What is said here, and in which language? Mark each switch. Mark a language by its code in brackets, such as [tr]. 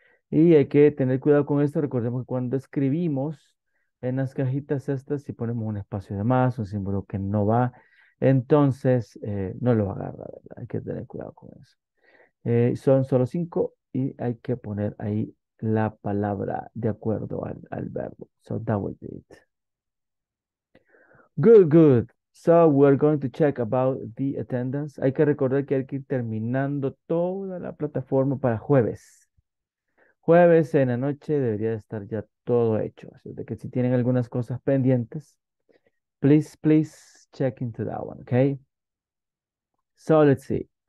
[es] Y hay que tener cuidado con esto. Recordemos que cuando escribimos en las cajitas estas, si ponemos un espacio de más, un símbolo que no va, entonces no lo agarra, ¿verdad? Hay que tener cuidado con eso. Son solo 5 y hay que poner ahí la palabra de acuerdo al verbo. [en] So that would be it. Good, good. So we're going to check about the attendance. [es] Hay que recordar que hay que ir terminando toda la plataforma para jueves. Jueves en la noche debería estar ya todo hecho. Así de que si tienen algunas cosas pendientes, [en] please, please check into that one, okay? So let's see.